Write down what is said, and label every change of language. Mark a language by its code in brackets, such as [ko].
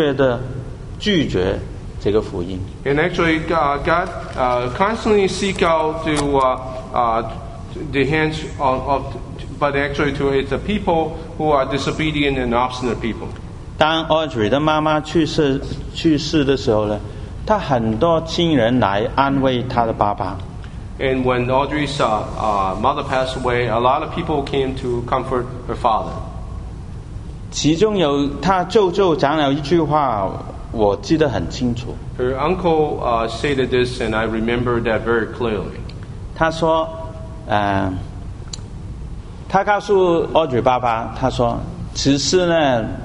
[zh] 神紧天伸手招呼人，只是人就是坚决的拒绝这个福音。 [en] And actually, God constantly seek out to the hands of, but actually, to it's the people who are disobedient and obstinate people. [zh] 当 Audrey 的妈妈去世的时候呢，她很多亲人来安慰她的爸爸。 [en] And when Audrey's mother passed away, a lot of people came to comfort her father. [zh] 其中有她舅舅讲了一句话，我记得很清楚。 [en] Her uncle stated this, and I remember that very clearly. [zh] 她告诉 Audrey 爸爸，她说，其实呢。